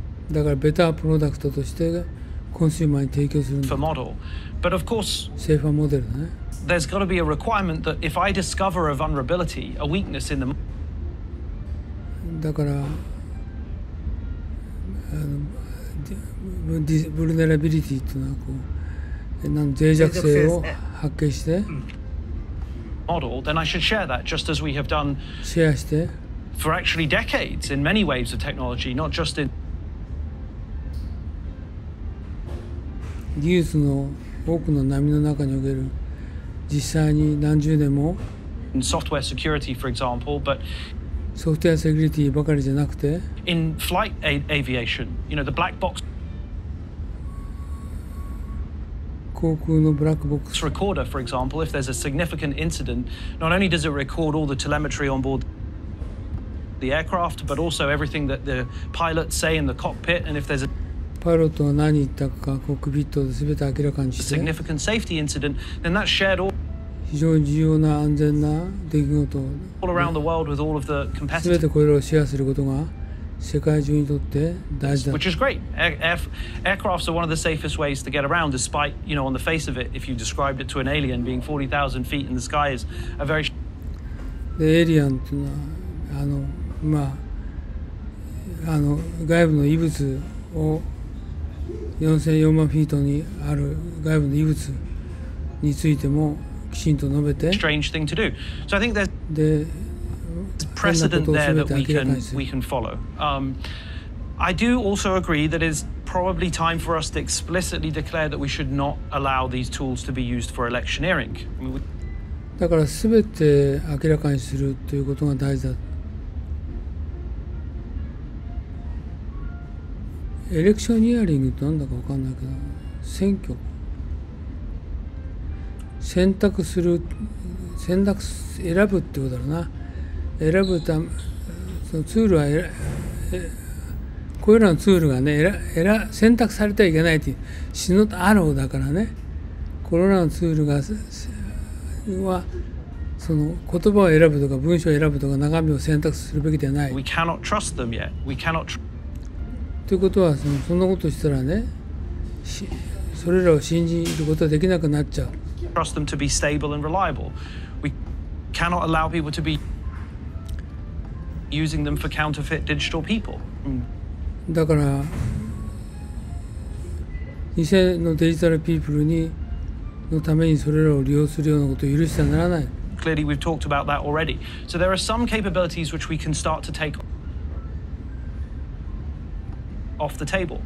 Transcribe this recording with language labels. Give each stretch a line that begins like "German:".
Japanese: だからベタープロダクトとしてコンシューマーに提供するんだ。
English: For model. But of course,
Japanese: セーファーモデルだね。
English: There's got to be a requirement that if I discover a vulnerability, a weakness in the model,
Japanese: だからブルネラビリティというのはこう脆弱性を発見して
English: モデル、then I should share that just as we have done
Japanese: シェアして
English: for actually decades in many waves of technology, not just in
Japanese: 技術の多くの波の中における実際に何十年も
English: in software security, for example, but
Japanese: ソフトウェアセキュリティばかりじゃなくて
English: in flight aviation, you know, the black box
Japanese: 航空のブラックボックス
English: recorder, for example, if there's a significant incident, not only does it record all the telemetry on board the aircraft, but also everything that the pilots say in the cockpit, and if there's a
Japanese: パイロットが何言ったかコックピットで全て明らかにして
English: a significant safety incident, then that's shared all
Japanese: 非常に重要な安全な出来事
English: all around the world with all of the competitors
Japanese: 全てこれをシェアすることが世界中にとって大事だ。
English: Which is great. Aircrafts are one of the safest ways to get around, despite, you know, on the face of it, if you described it to an alien, being 40,000 feet in the sky is a very.
Japanese: で、エイリアンというのは、まあ、外部の異物を4000、4万フィートにある外部の異物についてもきちんと述べて。
English: Strange thing to do. So I think there's.
Japanese: で。
English: Precedent there that we can follow.、I do also agree that it's probably time for us to explicitly declare that we should not allow these tools to be used for electioneering.
Japanese: だから全て明らかにするということが大事だ。エレクショニアリングって何だか分かんないけど、選挙。選択する、選択す、選ぶってことだろうな。選ぶため、そのツールは、これらのツールがね、選択されてはいけないっていう、死のアローだからね、これらのツールが、は、その言葉を選ぶとか、文章を選ぶとか、中身を選択するべきではない。
English: We cannot trust them yet. We cannot tr-
Japanese: ということはそんなことしたらね、それらを信じることはできなくなっちゃう。
English: Trust them to be stable and reliable. We cannot allow people to beusing them for counterfeit digital people.
Japanese: だから偽のデジタルピープルにのためにそれらを利用するようなことを許してはならない。
English: Clearly we've talked about that already. So there are some capabilities which we can start to take off the table.